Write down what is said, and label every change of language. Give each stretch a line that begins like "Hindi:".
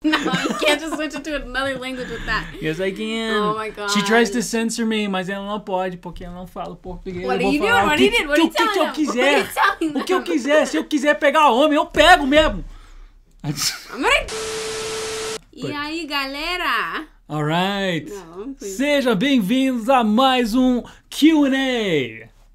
English: No, you can't just switch it to another language with that. Yes, I can. Oh, my God. She tries to censor me,
Portuguese: mas ela não pode, porque ela não fala português.
English: What are you doing? What are you doing? What are you telling them?
Portuguese: O que eu quiser. Se eu quiser pegar homem, eu pego mesmo.
English: I'm ready.
Portuguese: E aí, galera?
English: All right.
Portuguese: Seja bem-vindos a mais Q&A.